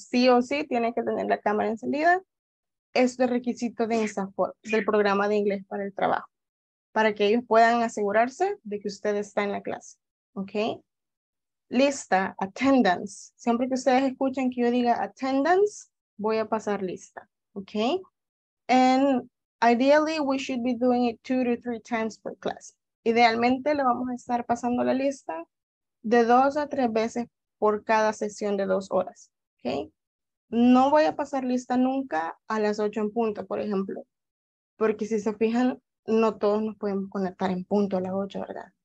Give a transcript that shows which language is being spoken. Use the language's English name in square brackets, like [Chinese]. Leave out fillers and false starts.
[Spanish] Sí o sí, tienen que tener la cámara encendida. Esto es requisito de INSAFOR, del programa de inglés para el trabajo, para que ellos puedan asegurarse de que usted está en la clase. Okay. Lista, attendance. Siempre que ustedes escuchen que yo diga attendance, voy a pasar lista. Okay. [English] And ideally, we should be doing it 2 to 3 times per class. [Spanish] Idealmente, le vamos a estar pasando la lista de 2 a 3 veces por cada sesión de 2 horas. Okay. No voy a pasar lista nunca a las 8 en punto, por ejemplo. Porque si se fijan, no todos nos podemos conectar en punto a las 8, ¿verdad?